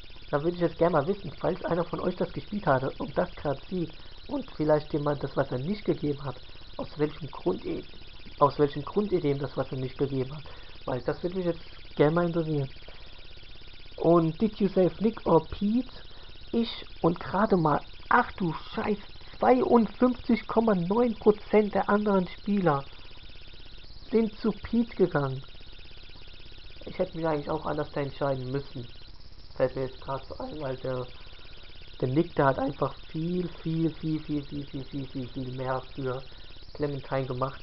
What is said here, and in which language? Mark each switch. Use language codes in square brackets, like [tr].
[de] Da würde ich jetzt gerne mal wissen, falls einer von euch das gespielt hatte und das gerade sieht und vielleicht dem Mann das Wasser nicht gegeben hat, aus welchem Grund ihr dem das Wasser nicht gegeben habt. Weil das würde mich jetzt gerne mal interessieren. Und [en] did you save Nick or Pete? [de] Ich und gerade mal, ach du Scheiß, 52,9% der anderen Spieler sind zu Pete gegangen. Ich hätte mich eigentlich auch anders entscheiden müssen. Fällt mir jetzt gerade so ein, weil der Nick, der hat einfach viel, viel, viel, viel, viel, viel, viel, viel, viel mehr für Clementine gemacht.